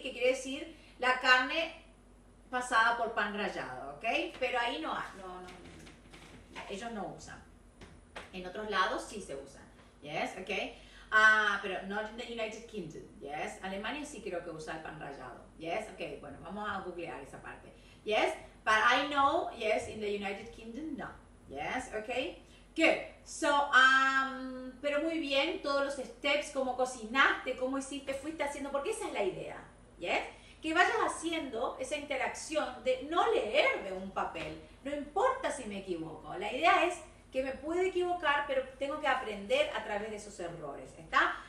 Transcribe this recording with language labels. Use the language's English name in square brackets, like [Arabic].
[Spanish] Que quiere decir la carne pasada por pan rallado, ¿ok? Pero ahí no hay, no, ellos no usan. En otros lados sí se usan, ¿yes? ¿Ok? Pero [English] not in the United Kingdom, [Spanish] ¿yes? Alemania sí creo que usa el pan rallado, ¿yes? Ok, bueno, vamos a googlear esa parte, ¿yes? [English] But I know, yes, in the United Kingdom, no. Yes, okay. Good. [Spanish] So, pero muy bien, todos los steps, cómo cocinaste, cómo hiciste, fuiste haciendo, porque esa es la idea, yes. Que vayas haciendo esa interacción de no leer de un papel. No importa si me equivoco. La idea es que me pude equivocar, pero tengo que aprender a través de esos errores, ¿está?